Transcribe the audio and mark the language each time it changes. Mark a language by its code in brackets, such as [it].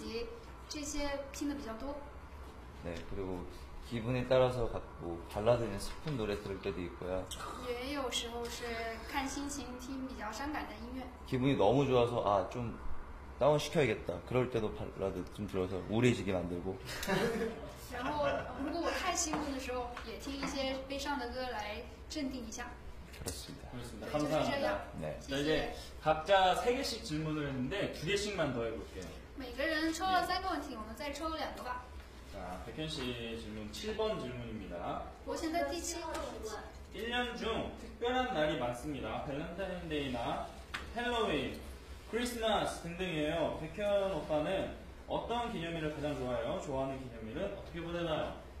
[zh] 我还是比较经常听下次准备的那些音乐，还有我们的专辑，这些听的比较多。 [ko] 네, 그리고 기분에 따라서 뭐 발라드는 슬픈 노래 들을 때도 있고요. [zh] 也有时候是看心情听比较伤感的音乐。 [ko] 기분이 너무 좋아서 아 좀 다운 시켜야겠다. 그럴 때도 발라드 좀 들어서 우울해지게 만들고. [zh] 然后如果我太兴奋的时候也听一些悲伤的歌来镇定一下 [ko] 그렇습니다. 그렇습니다. 감사합니다. 네. 자, 이제 각자 3개씩 질문을 했는데 2개씩만 더 해볼게요. [zh] 每个人抽了三个问题，我们再抽两个吧。 [ko] 자, 백현 씨 질문 7번 질문입니다. [zh] 我现在第七个问题。 [ko] 1년 중 특별한 날이 많습니다. 밸런타인데이나 헬로윈, 크리스마스 등등이에요. 백현 오빠는 어떤 기념일을 가장 좋아해요? 좋아하는 기념일은 어떻게 보내나요?